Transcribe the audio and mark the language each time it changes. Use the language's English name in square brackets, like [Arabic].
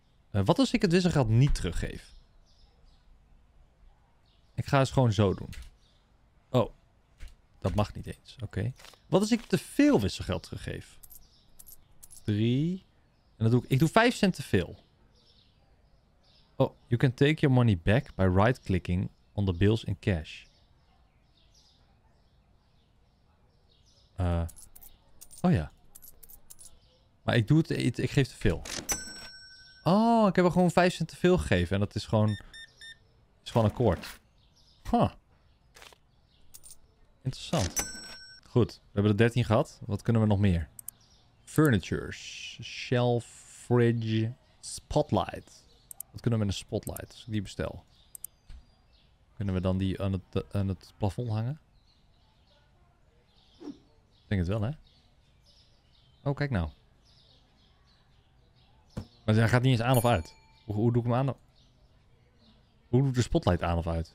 [Dutch] Wat als ik het wisselgeld niet teruggeef? Ik ga het gewoon zo doen. Oh, dat mag niet eens, oké. Okay. Wat als ik te veel wisselgeld teruggeef? 3. En dat doe ik. Ik doe 5 cent te veel. [English] Oh, you can take your money back by right-clicking on the bills in cash. [Dutch] Oh ja. Maar ik doe het, ik geef te veel. Oh, ik heb er gewoon 5 cent te veel gegeven en dat is gewoon... Is gewoon akkoord. Huh. Interessant. Goed, we hebben er 13 gehad. Wat kunnen we nog meer? [English] Furniture, shelf, fridge, spotlight. [Dutch] Wat kunnen we met een spotlight? Als ik die bestel. Kunnen we dan die aan het plafond hangen? Ik denk het wel, hè? Oh, kijk nou. Maar hij gaat niet eens aan of uit. Hoe doe ik hem aan? Hoe doe ik de spotlight aan of uit?